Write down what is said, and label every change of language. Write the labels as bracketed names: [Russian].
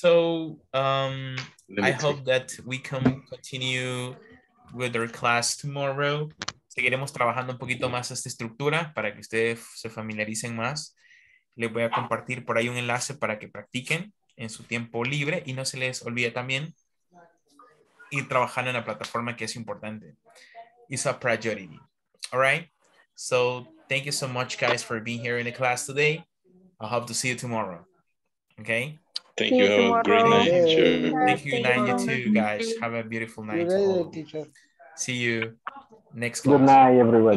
[English] So I hope that we can continue with our class tomorrow. [Spanish] Seguiremos trabajando un poquito más esta estructura para que ustedes se familiaricen más. Les voy a compartir por ahí un enlace para que practiquen en su tiempo libre y no se les olvide también ir trabajando en la plataforma, que es importante. [English] It's a priority. All right. So thank you so much, guys, for being here in the class today. I hope to see you tomorrow. Okay. Thank you. Have a great night, teacher. Thank you, night, you too, guys. Have a beautiful night. Good night, teacher. See you next class. Good night, everybody.